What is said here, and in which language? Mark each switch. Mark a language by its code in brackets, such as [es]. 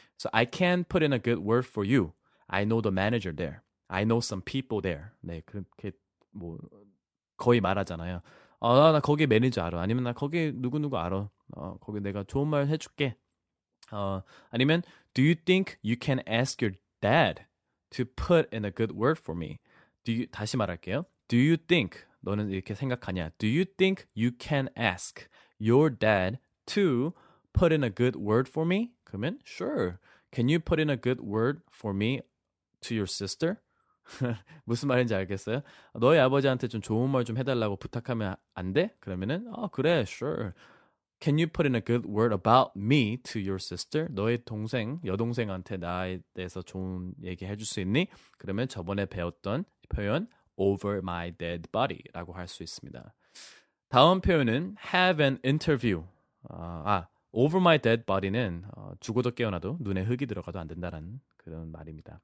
[en] So I can put in a good word for you. I know the manager there. I know some people there. [ko] 네, 그렇게 뭐 거의 말하잖아요. 나 거기 매니저 알아. 아니면 나 거기 누구누구 알아. 거기 내가 좋은 말 해줄게. 아니면 [en] Do you think you can ask your dad to put in a good word for me? [ko] 다시 말할게요. [en] Do you think [ko] 너는 이렇게 생각하냐? [en] Do you think you can ask your dad to put in a good word for me? [ko] 그러면 [en] Sure. Can you put in a good word for me to your sister? [ko] 무슨 말인지 알겠어요? 너희 아버지한테 좀 좋은 말좀 해달라고 부탁하면 안 돼? 그러면은 그래, Sure. [en] Can you put in a good word about me to your sister? [ko] 너의 동생, 여동생한테 나에 대해서 좋은 얘기 해줄 수 있니? 그러면 저번에 배웠던 표현 [en] over my dead body [ko] 라고 할수 있습니다. 다음 표현은 [en] have an interview. Over my dead body [ko] 는 죽어도 깨어나도 눈에 흙이 들어가도 안 된다는 그런 말입니다.